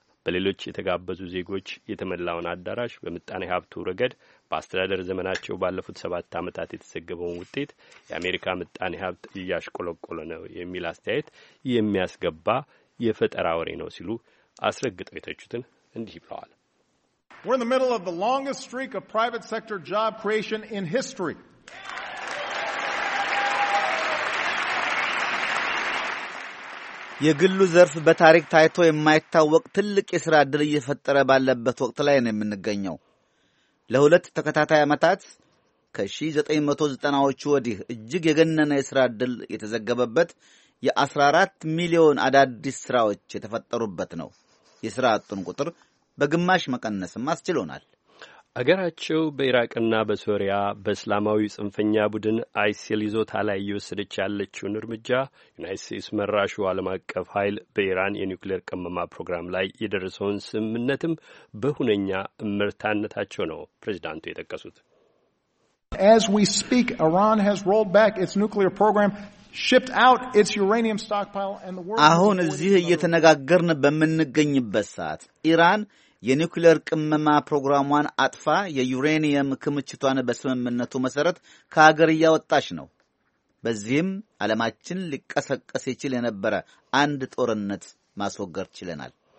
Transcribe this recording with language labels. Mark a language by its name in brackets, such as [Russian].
[Amharic] በሌሎች የተጋበዙ ዜጎች የተመላውን አዳራሽ በምጣኔ ሀብቱ ረገድ በአስተዳደር ዘመናቸው ባለፉት 7 ዓመታት የተዘገበውን ውጤት የአሜሪካ ምጣኔ ሀብት እያሽቆለቆለ ነው የሚል አስተያየት የሚያስገባ የፈጠራ ወሬ ነው ሲሉ አስረግጠው የተቹትን እንዲህ ብለዋል። [English] We're in the middle of the longest streak of private sector job creation in history. [Amharic] የግሉ ዘርፍ በታሪክ ታይቶ የማይታወቅ ትልቅ የሥራ ዕድል እየፈጠረ ባለበት ወቅት ላይ ነው የምንገኘው። ለሁለት ተከታታይ ዓመታት ከ1990ዎቹ ወዲህ እጅግ የገነነ የሥራ ዕድል የተዘገበበት የ14 ሚሊዮን አዳዲስ ሥራዎች የተፈጠሩበት ነው። የሥራ አጡን ቁጥር በግማሽ መቀነስም አስችሎናል። አገራቸው በኢራቅና በሶሪያ በእስላማዊ ጽንፈኛ ቡድን አይሲል ይዞታ ላይ እየወሰደች ያለችውን እርምጃ፣ ዩናይትድ ስቴትስ መራሹ ዓለም አቀፍ ኃይል በኢራን የኒውክሌር ቅመማ ፕሮግራም ላይ የደረሰውን ስምምነትም በሁነኛ እምርታነታቸው ነው ፕሬዚዳንቱ የጠቀሱት። [English] As we speak, Iran has rolled back its nuclear program, shipped out its uranium stockpile, and the world [Amharic] አሁን እዚህ እየተነጋገርን በመንገኝበት ሰዓት ኢራን የኒውክሌር ቅመማ ፕሮግራሟን አጥፋ የዩሬኒየም ክምችቷን በስምምነቱ መሰረት ከሀገር ያወጣች ነው። በዚህም ዓለማችን ሊቀሰቀስ ይችል የነበረ አንድ ጦርነት ማስወገድ ይችላል።